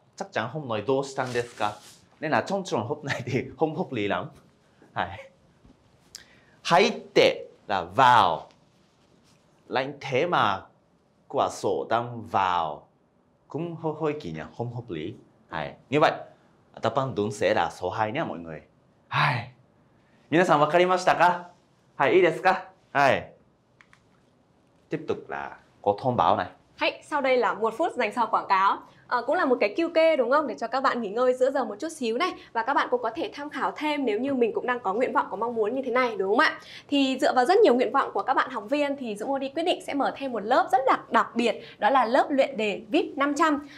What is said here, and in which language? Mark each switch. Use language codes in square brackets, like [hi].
[vi] Chắc chắn không nói, [ja] dou shitan desu ka? [vi] Nên là trong trường hợp này thì không hợp lý lắm. Hai. Haitte là vào. Lạnh thế mà, cửa sổ đang vào. Cũng hơi kỳ nhỉ, không hợp lý. Hai. Như vậy, đáp án đúng sẽ là số 2 nhé mọi người. Hai. [ja] 皆さん分かりましたか？はい、いいですか？はい。 [vi] Tiếp tục là có thông báo này. Hãy, sau đây là một phút dành cho quảng cáo. Cũng là một cái QK đúng không, để cho các bạn nghỉ ngơi giữa giờ một chút xíu này, và các bạn cũng có thể tham khảo thêm nếu như mình cũng đang có nguyện vọng, có mong muốn như thế này đúng không ạ. Thì dựa vào rất nhiều nguyện vọng của các bạn học viên thì Dũng Audi quyết định sẽ mở thêm một lớp rất là đặc biệt, đó là lớp luyện đề VIP 500.